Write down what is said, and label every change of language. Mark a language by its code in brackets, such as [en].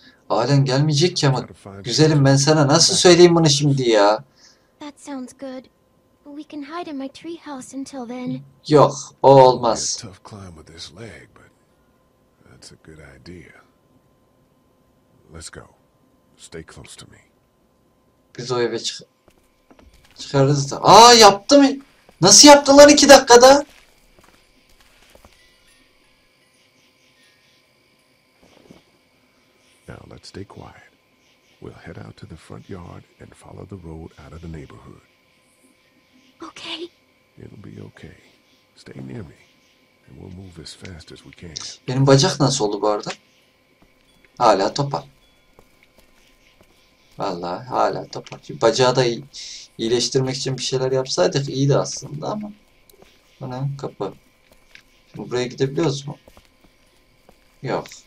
[tr] Ailen gelmeyecek ki ama... Güzelim ben sana nasıl söyleyeyim bunu şimdi ya? [en] That sounds good. We can hide in my tree house until then. [tr] Yok, o olmaz. [en] Tough climb with this leg, but that's a good idea. Let's go. Stay close to me. [tr] Biz o eve çıkarız da. Aa yaptı mı? Nasıl yaptılar 2 dakikada? [en] Now let's stay quiet. We'll head out to the front yard and follow the road out of the neighborhood. Okay. It'll be okay. Stay near me and we'll move as fast as we can. [tr] Benim bacak nasıl oldu bu arada? Hala topal. Vallahi hala topal. Bacağı da iyileştirmek için bir şeyler yapsaydık iyiydi aslında ama. Bu ne? Kapı. Şimdi buraya gidebiliyoruz mu? Yok.